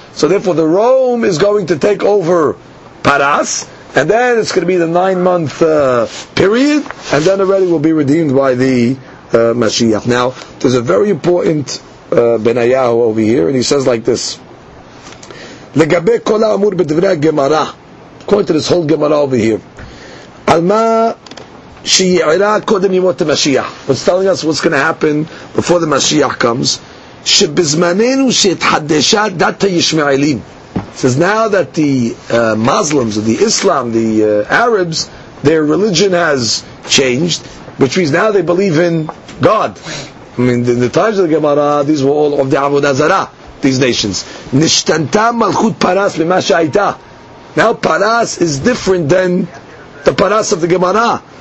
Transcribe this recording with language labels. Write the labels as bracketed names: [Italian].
[English] So therefore the Rome is going to take over Paras, and then it's going to be the 9 month period, and then already will be redeemed by the Mashiach. Now there's a very important Benayahu over here, and he says like this. [Hebrew] לגבי כל האמור בדברי הגמרא, [English] according to this whole Gemara over here, [Hebrew] על מה שיעירה קודם ימות המשיח. [English] It's telling us what's going to happen before the Mashiach comes. [Hebrew] שבזמננו שהתחדשה דת הישמעאלים. [English] It says now that the Muslims, the Islam, the Arabs, their religion has changed, which means now they believe in God. I mean, in the times of the Gemara, these were all of the Avodah Zarah. These nations. [Hebrew] Nishtanta malchut paras mima shaita. [English] Now paras is different than the paras of the Gemara.